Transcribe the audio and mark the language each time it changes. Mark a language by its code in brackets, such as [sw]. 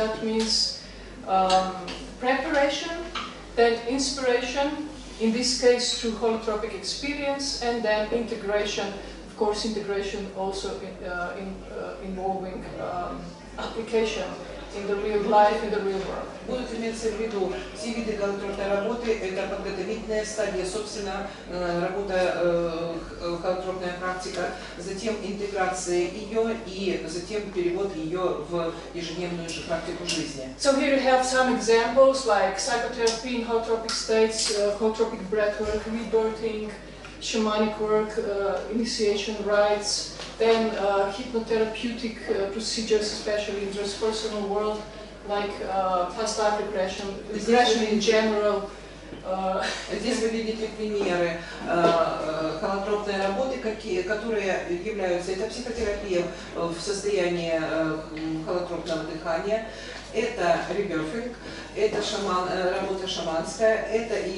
[en] That means preparation, then inspiration, in this case through holotropic experience, and then integration. Of course, integration also involving application in the real life, in the real world. [ru] Будут иметься в виду все виды холотропной работы. Это подготовительная стадия, собственно, работа холотропная практика, затем интеграция ее и затем перевод ее в ежедневную же практику жизни. [en] So here you have some examples like psychotherapy in holotropic states, holotropic breathwork, rebirthing, shamanic work, initiation rites, then hypnotherapeutic procedures, especially in transpersonal world. Like past life regression, regression in general. [ru] Здесь вы видите примеры холотропной работы, которые являются, это психотерапия в состоянии холотропного дыхания, это реберфинг, это работа шаманская, это